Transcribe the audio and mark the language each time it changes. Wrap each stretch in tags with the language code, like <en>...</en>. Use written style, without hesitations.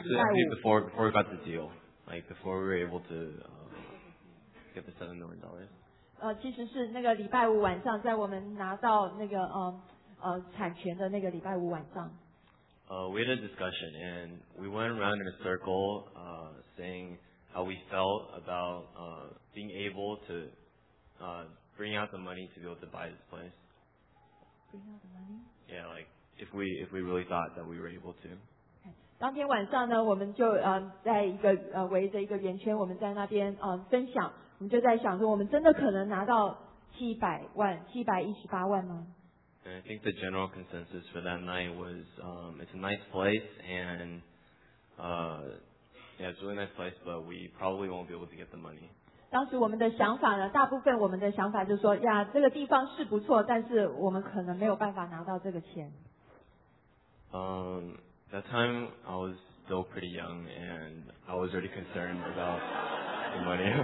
<en>Actually, before we got the deal, like before we were able to get the $7 million.</en> <zh>其实是那个礼拜五晚上，在我们拿到那个产权的那个礼拜五晚上。</zh> <en>We had a discussion and we went around in a circle, saying how we felt about being able to bring out the money to be able to buy this place. Bring out the money? Yeah, like if we really thought that we were able to. Okay.</en> <zh>当天晚上呢，我们就在一个围着一个圆圈，我们在那边分享，我们就在想说，我们真的可能拿到718万吗？</zh> <en>And I think the general consensus for that night was, it's a nice place, and, yeah, it's a really nice place, but we probably won't be able to get the money.</en> <zh>当时我们的想法呢，大部分我们的想法就是说，呀，这个地方是不错，但是我们可能没有办法拿到这个钱。</zh> <en>That time I was still pretty young and I was already concerned about the money.</en>